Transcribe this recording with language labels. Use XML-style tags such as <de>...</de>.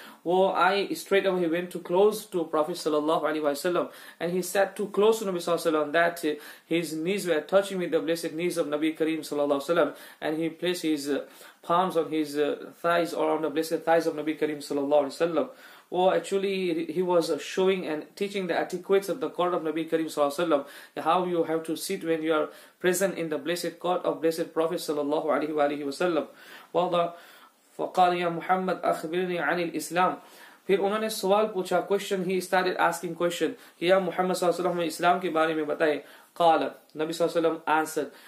<en>Wo I straight away went too close to Prophet sallallahu alaihi wasallam and he sat too close to Nabi sallallahu alaihi wasallam that his knees were touching with the blessed knees of Nabi Kareem sallallahu alaihi wasallam and he placed his palms on his thighs or on the blessed thighs of Nabi Kareem sallallahu alaihi wasallam. Oh, actually, he was showing and teaching the etiquettes of the court of Nabi Karim sallallahu alaihi wasallam. How you have to sit when you are present in the blessed court of blessed Prophet sallallahu alaihi wasallam. Well, the</en> <ar>فقال يا محمد أخبرني عن الإسلام.</ar> <hi>फिर उन्होंने सवाल पूछा. Question.</hi> <en>He started asking question.</en> <hi>कि या Muhammad sallallahu alaihi wasallam इस्लाम के बारे में बताएं.</hi> <ar>قال نبي</ar> <en>sallallahu alaihi wasallam answered.</en>